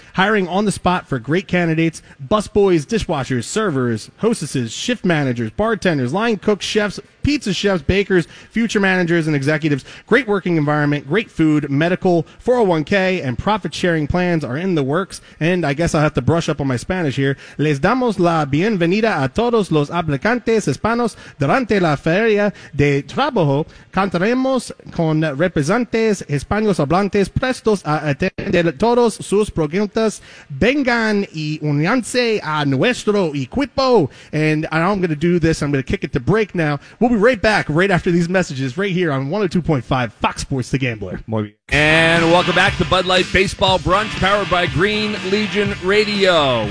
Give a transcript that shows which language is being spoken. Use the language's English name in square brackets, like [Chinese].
[English] Hiring on the spot for great candidates, busboys, dishwashers, servers, hostesses, shift managers, bartenders, line cooks, chefs, pizza chefs, bakers, future managers, and executives. Great working environment, great food, medical, 401k, and profit-sharing plans are in the works. And I guess I'll have to brush up on my Spanish here. [Spanish] Les damos la bienvenida a todos los aplicantes hispanos durante la feria de trabajo. Contaremos con representantes hispanos hablantes prestos a atender todos sus preguntas. Vengan y únanse a nuestro equipo. [English] And I'm going to do this. I'm going to kick it to break now. We'll We'll be right back right after these messages right here on 102.5 Fox Sports The Gambler. And welcome back to Bud Light Baseball Brunch, powered by Green Legion Radio.